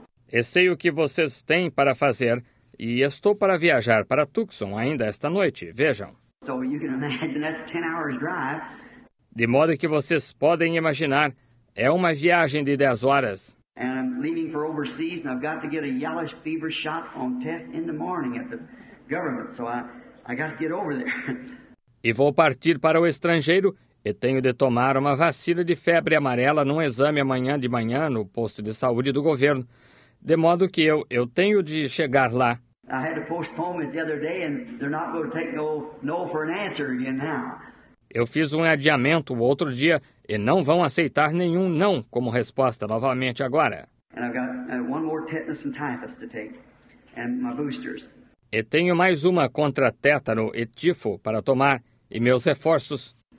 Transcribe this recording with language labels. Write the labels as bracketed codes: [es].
[pt] Eu sei o que vocês têm para fazer e estou para viajar para Tucson ainda esta noite, vejam. [en] So you can imagine that's 10 hours drive. [pt] De modo que vocês podem imaginar, é uma viagem de 10 horas. [en] And I'm leaving for overseas and I've got to get a yellowish fever shot on test in the morning at the government. So I got to get over there. [pt] E vou partir para o estrangeiro e tenho de tomar uma vacina de febre amarela num exame amanhã de manhã no posto de saúde do governo. De modo que eu tenho de chegar lá. [en] I had to postpone it the other day and they're not going to take no for an answer again now. [pt] Eu fiz um adiamento o outro dia e não vão aceitar nenhum não como resposta novamente agora. [en] And I've got one more tetanus and typhus to take and my boosters. [pt] E tenho mais uma contra tétano e tifo para tomar e meus reforços.